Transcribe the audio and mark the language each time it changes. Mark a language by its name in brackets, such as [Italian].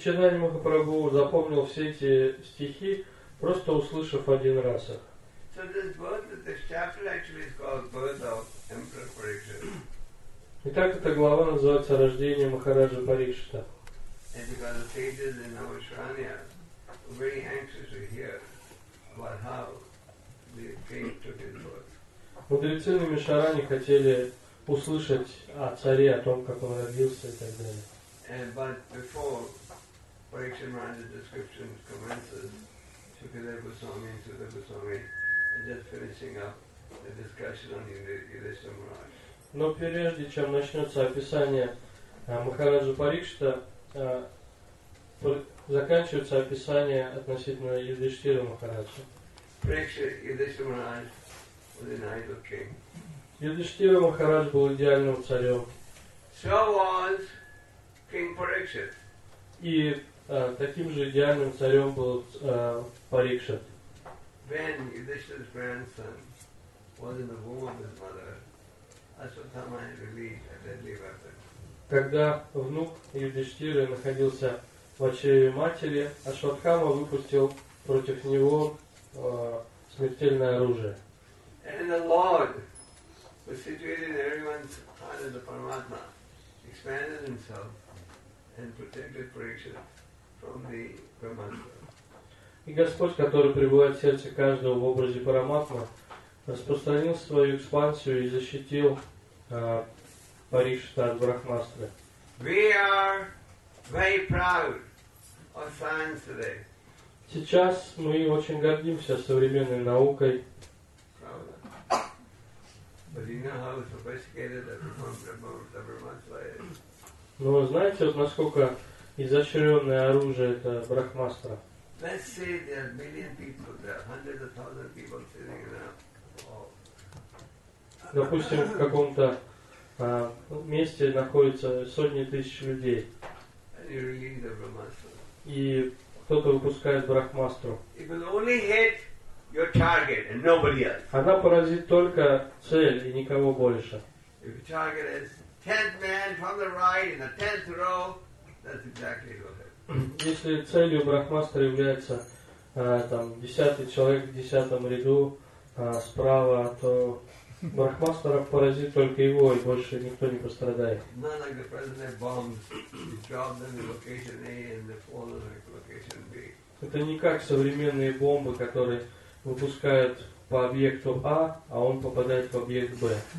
[Russian] Чайтанья Махапрабху запомнил все эти стихи, просто услышав один раз их. [English] So this chapter actually is called Birth of Emperor Parikshit. [Russian] Итак, эта глава называется «Рождение Махараджа Парикшита». [English] And because the sages in Navasranya were very anxious to hear about how the king took his birth. [Russian] Мудрецы на Мишаране хотели услышать о царе, о том, как он родился и так далее. [English] But before Parikshit Maharaj's description commences, Shukadeva Goswami and Sutta Goswami are just finishing up the discussion on Yudhishthira Maharaj. [Russian] Но прежде чем начнется описание Махараджа Парикшита, заканчивается описание относительно Юдиштхира Махараджа. [English] Yudhishthira Maharaj was an idol king. [Russian] Юдиштхира Махарадж был идеальным царем. [English] So was King Parikshit. [Russian] И таким же идеальным царем был Парикшит. [English] When Yudhishthira's grandson was in the womb of his mother, Ashwatthama had released a deadly weapon. [Russian] Когда внук Юдиштхиры находился в чреве матери, Ашватхама выпустил против него смертельное оружие. [English] And the Lord was situated in everyone's heart as the Paramatma, expanded himself and protected Parikshit from the Brahmastra. [Russian] И Господь, который пребывает в сердце каждого в образе Параматмы, распространил свою экспансию и защитил Парикшита от Брахмастры. [English] We are very proud of science today. [Russian] Сейчас мы очень гордимся современной наукой. [English] But you know how sophisticated the Brahmastra is. [Russian] Но знаете, вот насколько изощренное оружие это Брахмастра? [English] Let's say there are million people, there are hundreds of thousands of people sitting in a hall. [Russian] Допустим, в каком-то месте находится сотни тысяч людей. [English] And you release the Brahmastra. [Russian] И кто-то выпускает Брахмастру. [English] It will only hit your target and nobody else. [Russian] Она поразит только цель и никого больше. [English] If your target is 10th man from the right in the 10th row, that's exactly what happens. [Russian] Если целью Брахмастры является там 10-й человек в 10-м ряду справа, то Брахмастра поразит только его и больше никто не пострадает. [English] Not like the president bombs, you drop them in location A and they fall in location B. [Russian] Это не как современные бомбы, которые выпускают по объекту А, а он попадает в объект Б.